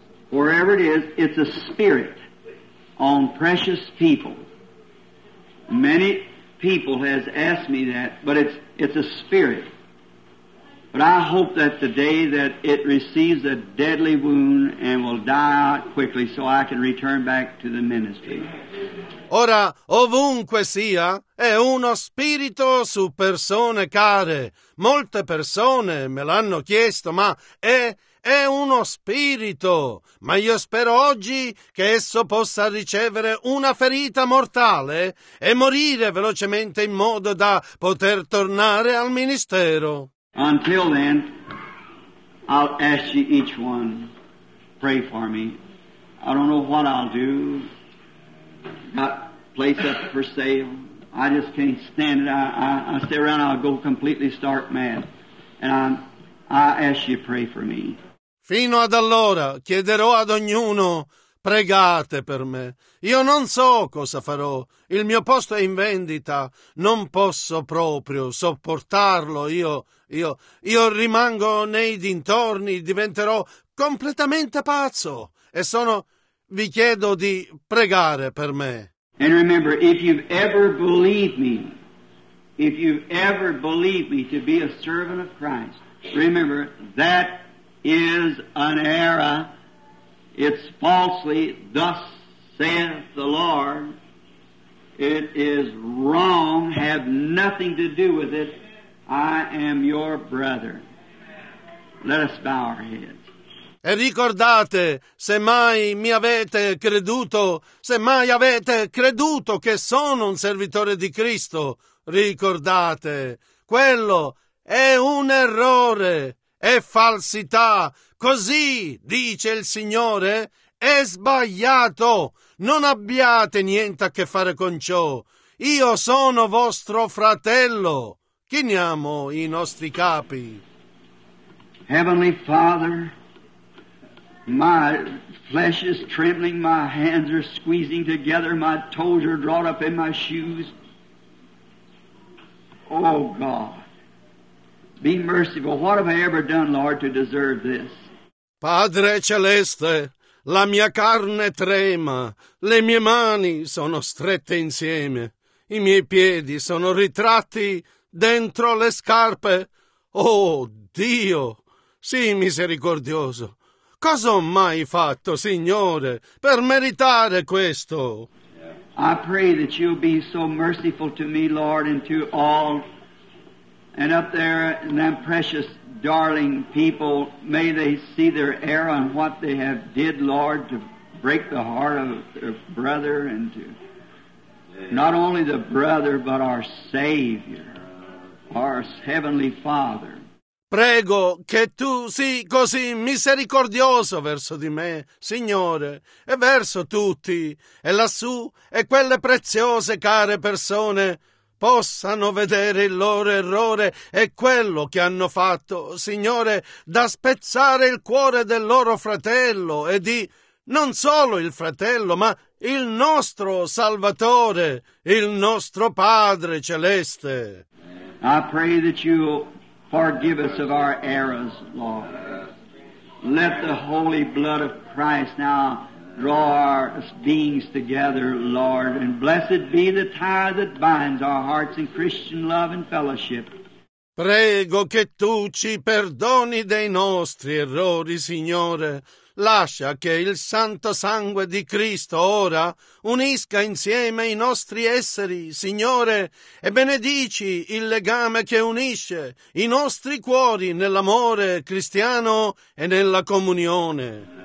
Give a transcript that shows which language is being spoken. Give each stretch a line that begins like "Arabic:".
English: Wherever it is, it's a spirit on precious people. Many people has asked me that, but it's a spirit. But I hope that the day that it receives a deadly wound and will die out quickly so I can return back to the ministry.
Italian: Ora, ovunque sia, è uno spirito su persone care. Molte persone me l'hanno chiesto, ma è uno spirito. Ma io spero oggi che esso possa ricevere una ferita mortale e morire velocemente in modo da poter tornare al ministero.
English: Until then, I'll ask you each one, pray for me. I don't know what I'll do. Got place up for sale. I just can't stand it. I stay around, I'll go completely stark mad. And I ask you, pray for me.
Italian: Fino ad allora, chiederò ad ognuno, pregate per me. Io non so cosa farò. Il mio posto è in vendita. Non posso proprio sopportarlo. Io rimango nei dintorni, diventerò completamente pazzo. E sono, vi chiedo di pregare per me.
English: And remember, if you've ever believed me, if you've ever believed me to be a servant of Christ, remember, that is an error. It's falsely, thus saith the Lord. It is wrong, have nothing to do with it. I am your brother. Let us bow our heads.
Italian: E ricordate, se mai mi avete creduto, se mai avete creduto che sono un servitore di Cristo, ricordate, quello è un errore, è falsità. Così, dice il Signore, è sbagliato. Non abbiate niente a che fare con ciò. Io sono vostro fratello. Chiniamo i nostri capi.
English: Heavenly Father, my flesh is trembling, my hands are squeezing together, my toes are drawn up in my shoes. Oh God, be merciful. What have I ever done, Lord, to deserve this?
Italian: Padre Celeste, la mia carne trema, le mie mani sono strette insieme, i miei piedi sono ritratti dentro le scarpe. Oh Dio, sii misericordioso. Cosa ho mai fatto, Signore, per meritare questo?
English: I pray that you'll be so merciful to me, Lord, and to all, and up there in that precious darling people, may they see their error on what they have did, Lord, to break the heart of their brother and to not only the brother but our Savior, our Heavenly Father.
Italian: Prego che tu sii così misericordioso verso di me, Signore, e verso tutti, e lassù, e quelle preziose care persone possano vedere il loro errore e quello che hanno fatto, Signore, da spezzare il cuore del loro fratello e di non solo il fratello, ma il nostro Salvatore, il nostro Padre Celeste.
English: I pray that you'll forgive us of our errors, Lord. Let the holy blood of Christ now draw our beings together, Lord, and blessed be the tie that binds our hearts in Christian love and fellowship.
Italian: Prego che tu ci perdoni dei nostri errori, Signore. Lascia che il santo sangue di Cristo ora unisca insieme i nostri esseri, Signore, e benedici il legame che unisce i nostri cuori nell'amore cristiano e nella comunione.